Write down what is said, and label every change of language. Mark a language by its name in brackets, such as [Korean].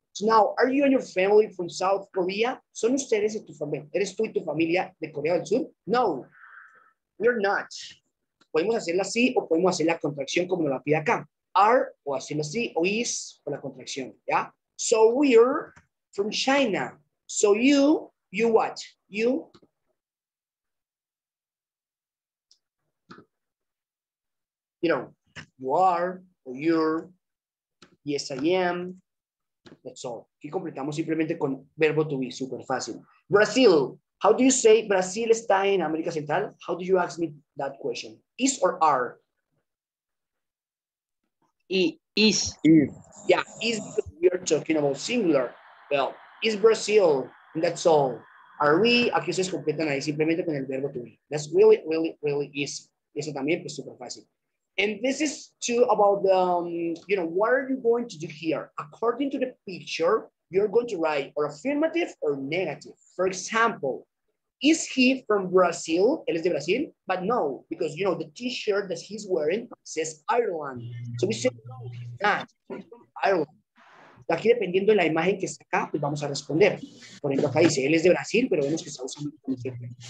[English] So now, are you and your family from South Korea? [Spanish] ¿Son ustedes y tu familia? ¿Eres tú y tu familia de Corea del Sur? [English] No, we're not. [Spanish] Podemos hacerla así o podemos hacer la contracción como la pide acá. Are, o hacerlo así, o is, o la contracción, ¿ya? [English] So we're from China. So you what? You? You know, you are, or you're, yes, I am. That's all. [Spanish] Aquí completamos simplemente con verbo to be, super fácil. Brazil. [English] How do you say [Spanish] Brazil está en América Central? [English] How do you ask me that question? Is or are? Is. Yeah, is because we are talking about singular. Well, is Brazil, and that's all. Are we? [Spanish] Aquí ustedes completan ahí simplemente con el verbo to be. [English] That's really, really, really easy. [Spanish] Eso también es super fácil. [English] And this is too about the, you know, what are you going to do here? According to the picture, you're going to write or affirmative or negative. For example, is he from Brazil? [Spanish] Él es de Brasil? [English] But no, because, you know, the t-shirt that he's wearing says Ireland. So we say, no, he's not. He's from Ireland. [Spanish] Aquí, dependiendo de la imagen que está acá, pues vamos a responder. Por ejemplo, acá dice, él es de Brasil, pero vemos que está usando un ejemplo.